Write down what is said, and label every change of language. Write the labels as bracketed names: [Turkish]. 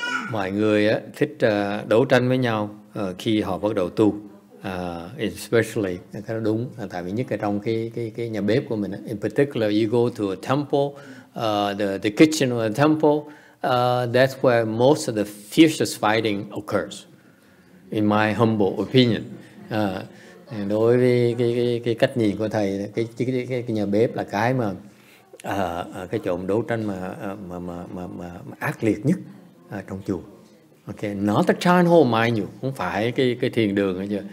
[Vietnamese] Mọi người á, thích đấu tranh với nhau khi họ bắt đầu tu. Especially cái đó đúng là tại vì nhất là trong cái nhà bếp của mình á. [English] In particular, you go to a temple. The kitchen or the temple, that's where most of the fiercest fighting occurs, in my humble opinion. [Vietnamese] Đối với cái cách nhìn của thầy, cái nhà bếp là cái mà cái chỗ đấu tranh mà ác liệt nhất trong chùa. [English] Okay, not the chan hall, mind you, [Vietnamese] không phải cái thiền đường hay chưa.